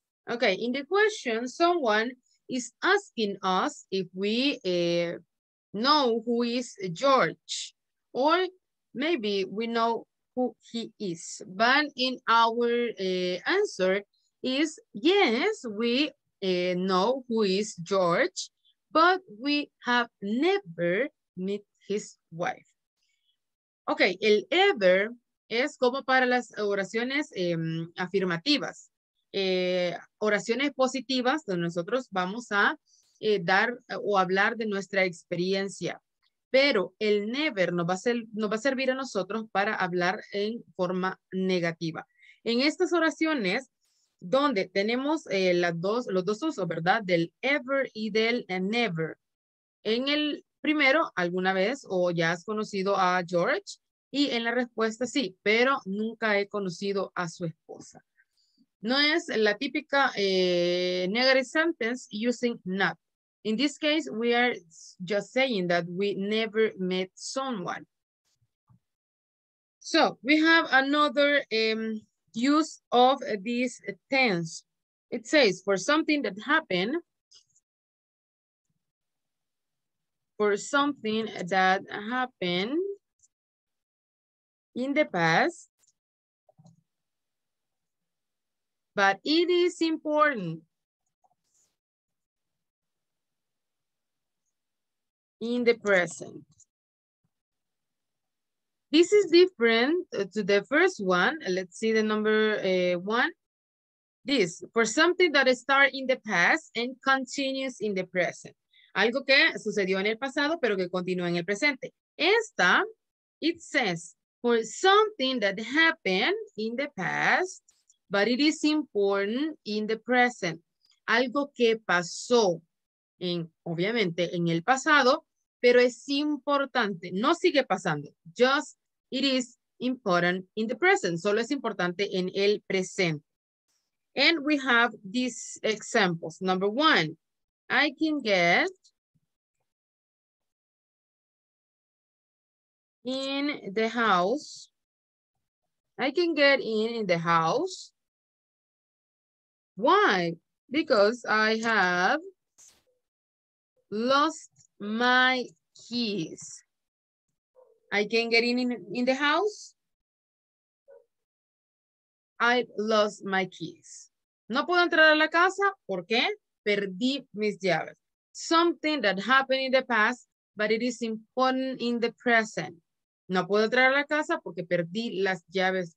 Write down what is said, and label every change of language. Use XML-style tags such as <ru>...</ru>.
<en>Okay, in the question, someone is asking us if we know who is George, or maybe we know who he is. But in our answer is, yes, we know who is George, but we have never met his wife.</en> <es>Okay, el ever es como para las oraciones afirmativas. Oraciones positivas donde nosotros vamos a dar o hablar de nuestra experiencia. Pero el never nos va a servir a nosotros para hablar en forma negativa. En estas oraciones donde tenemos los dos usos, ¿verdad? Del ever y del never. En el primero, alguna vez o ya has conocido a George, y en la respuesta sí, pero nunca he conocido a su esposa. No es la típica</es> <en>negative sentence using not. In this case, we are just saying that we never met someone. So we have another use of this tense. It says for something that happened. For something that happened in the past, but it is important in the present. This is different to the first one. Let's see the number one. This, for something that starts in the past and continues in the present.</en> <es>Algo que sucedió en el pasado, pero que continúa en el presente. Esta,</es> <en>it says, for something that happened in the past, but it is important in the present.</en> <es>Algo que pasó, obviamente, en el pasado, pero es importante. No sigue pasando.</es> <en>Just, it is important in the present.</en> <es>Solo es importante en el presente.</es> <en>And we have these examples. Number one, I can get in the house. I can get in the house. Why? Because I have lost my keys. I can get in the house. I've lost my keys.</en> <es>No puedo entrar a la casa. ¿Por qué? Perdí mis llaves.</es> <en>Something that happened in the past, but it is important in the present.</en> <es>No puedo entrar a la casa porque perdí las llaves.</es>